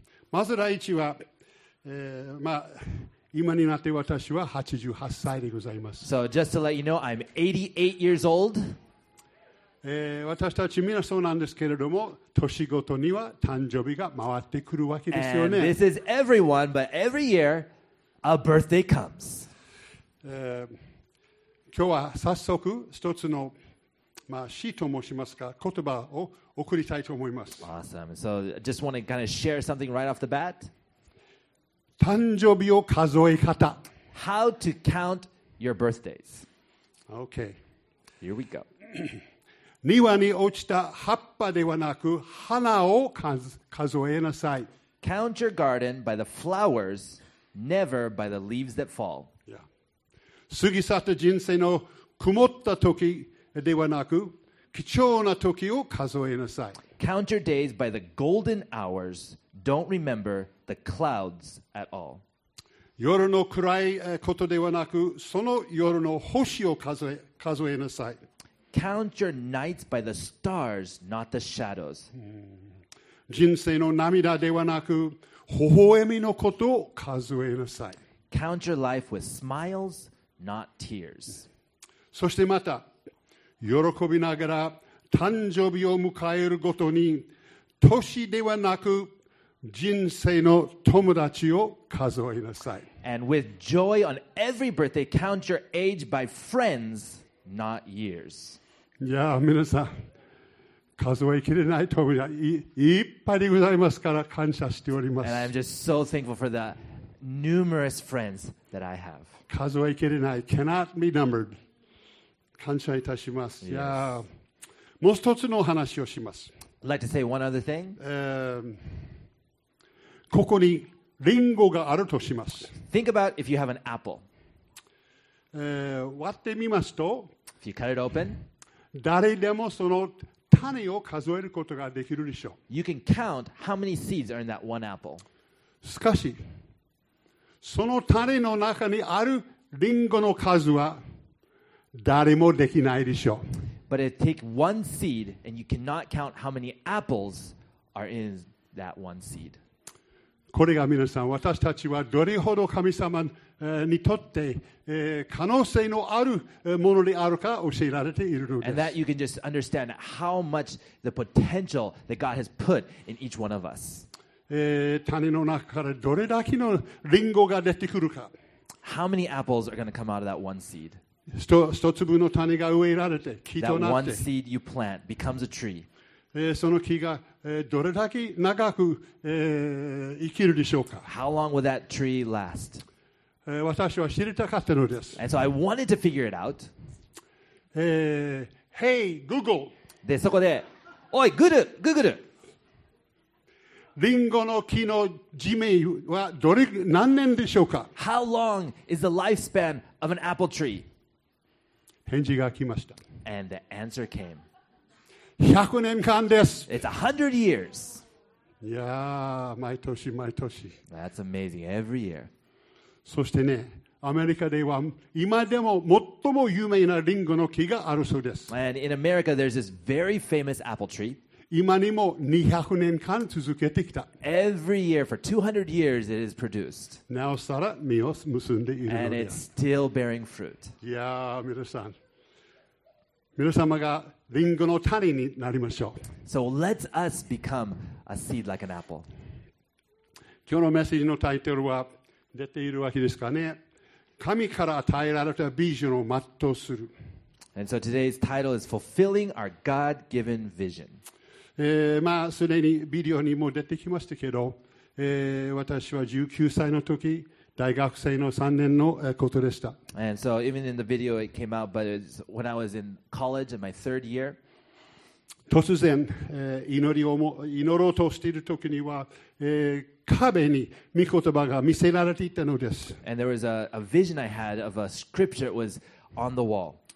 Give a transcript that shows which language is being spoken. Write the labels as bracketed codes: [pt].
[ja] まず第一は、まあ、今になって私は88歳でございます。 [en] So just to let you know, I'm 88 years old. [ja] 私たちみんなそうなんですけれども、年ごとには誕生日が回ってくるわけですよね。 [en] And this is everyone, but every year,A birthday comes. [ja] 今日は早速一つの、まあ、詩と申しますか言葉を送りたいと思います。 [en] Awesome. So I just want to kind of share something right off the bat. [ja] 誕生日を数え方。 [en] How to count your birthdays. Okay. Here we go. [ja] 庭に落ちた葉っぱではなく花を数えなさい。 [en] Count your garden by the flowers. Never by the leaves that fall. Yeah. [ja] 過ぎ去った人生の曇った時ではなく、貴重な時を数えなさい。 [en] Count your days by the golden hours. Don't remember the clouds at all. [ja] 夜の暗いことではなく、その夜の星を数えなさい。 [en] Count your nights by the stars, not the shadows. [ja] 人生の涙ではなく、微笑みのことを数えなさい。 [en] Count your life with smiles, not tears. [ja] そしてまた、喜びながら誕生日を迎えるごとに、年ではなく人生の友達を数えなさい。 [en] And with joy on every birthday, count your age by friends, not years. [ja] いや、皆さん。数えきれない友達 いっぱいでございますから感謝しております。 [en] And I'm just so thankful for the numerous friends that I have. [ja] 数えきれない [en] cannot be numbered. [ja] 感謝いたします。 [en] Yes. Yeah. [ja] もう一つの話をします。 [en] I'd like to say one other thing. [ja] ここにリンゴがあるとします。 [en] Think about if you have an apple. [ja] 割ってみますと、 [en] if you cut it open, [ja] 誰でもその種を数えることができるでしょう。 [en] You can count how many seeds are in that one apple. [ja] しかし、その種の中にあるリンゴの数は誰もできないでしょう。 [en] But it takes one seed and you cannot count how many apples are in that one seed. [ja] これが皆さん、私たちはどれほど神様にとって可能性のあるものであるか教えられているのです。 [en] And that you can just understand how much the potential that God has put in each one of us. [ja] 種の中からどれだけのリンゴが出てくるか。 [en] How many apples are going to come out of that one seed? [ja] 一粒の種が植えられて木となって。 [en] That one seed you plant becomes a tree. [ja] その木がどれだけ長く生きるでしょうか。 [en] How long will that tree last? [ja] 私は知りたかったのです。 [en] And so I wanted to figure it out. Hey, Google! [ja] で、そこで、おい、Google! リンゴの木の寿命はどれ何年でしょうか。 [en] How long is the lifespan of an apple tree? [ja] 返事が来ました。 [en] And the answer came. [ja] 100年間です。 [en] It's 100 years. [ja] いやー、毎年毎年。 [en] That's amazing. Every year. [ja] そしてね、アメリカでは今でも最も有名なリンゴの木があるそうです。 [en] And in America, there's this very famous apple tree. [ja] 今にも200年間続けてきた。 [en] Every year, for 200 years, it is produced. [ja] なおさら実を結んでいるのです。 [en] And it's still bearing fruit. [ja] いやー、皆さん。皆様がリンゴの種になりましょう。 [en] So let us become a seed like an apple. [ja] 今日のメッセージのタイトルは出ているわけですかね。神から与えられたビジョンを全うする。 [en] And so today's title is Fulfilling Our God-Given Vision. [ja] まあすでにビデオにも出てきましたけど、私は19歳の時、大学生の3年のことでした。 [en] And so even in the video it came out, but it was when I was in college in my third year. [ja] 突然、祈ろうとしている時には、壁に御言葉が見せられていたのです。 [en] And there was a vision I had of a scripture that was on the wall.